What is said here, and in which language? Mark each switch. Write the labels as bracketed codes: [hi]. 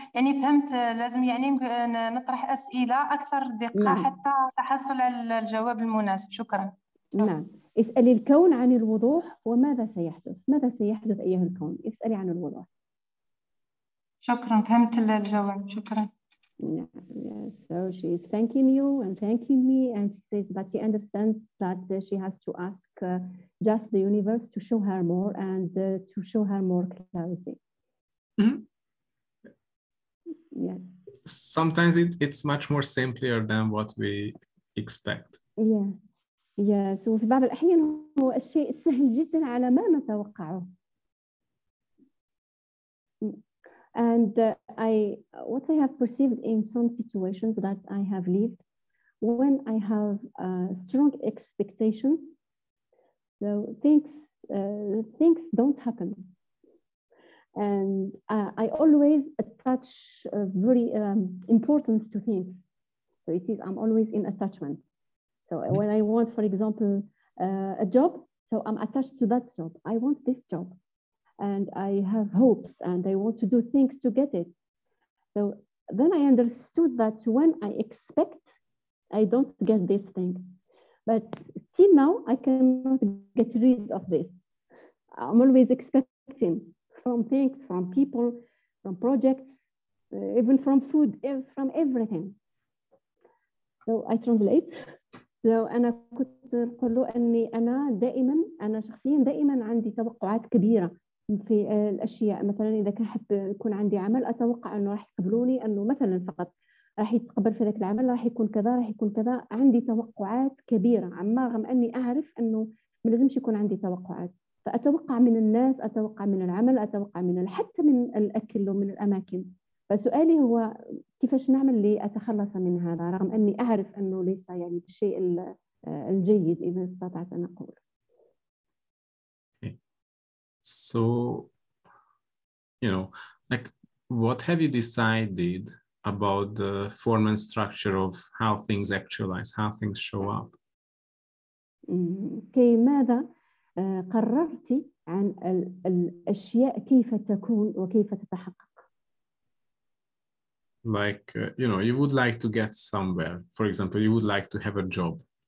[ar] يعني فهمت لازم يعني نطرح اسئله اكثر دقه. نعم. حتى تحصل على الجواب المناسب. شكرا. نعم. اسالي الكون عن الوضوح وماذا سيحدث، ماذا سيحدث ايها الكون، اسالي عن الوضوح. شكرا، فهمت الجواب، شكرا. [en] Yeah, yeah. So she is thanking you and thanking me, and she says that she understands that she has to ask just the universe to show her more and to show her more clarity. Mm-hmm. Yeah. Sometimes it's much more simpler than what we expect. Yeah. Yeah. [ar] So في بعض الأحيان هو الشيء سهل جدا على ما نتوقعه. [en] And what I have perceived in some situations that I have lived, when I have strong expectations, so things don't happen. And I always attach very importance to things. So it is, I'm always in attachment. So when I want, for example, a job, so I'm attached to that job. I want this job. And I have hopes and I want to do things to get it. So then I understood that when I expect, I don't get this thing. But till now, I cannot get rid of this. I'm always expecting from things, from people, from projects, even from food, from everything. So I translate. [ar] So أنا كنت أقول له أني أنا دائما، أنا شخصيا دائما عندي توقعات كبيرة في الأشياء. مثلاً إذا كان حب يكون عندي عمل، أتوقع أنه راح يقبلوني، أنه مثلاً فقط راح يتقبل في ذلك العمل، راح يكون كذا، راح يكون كذا. عندي توقعات كبيرة، عما رغم أني أعرف أنه ما لازمش يكون عندي توقعات. فأتوقع من الناس، أتوقع من العمل، أتوقع من حتى من الأكل ومن الأماكن. فسؤالي هو كيفاش نعمل لأتخلص من هذا، رغم أني أعرف أنه ليس يعني الشيء الجيد إذا استطعت أن أقول. [en] So, you know, like, what have you decided about the form and structure of how things actualize, how things show up? [ar] كي ماذا قررت عن الأشياء كيف تكون وكيف تتحقق؟ [en] Like, you know, you would like to get somewhere. For example, you would like to have a job.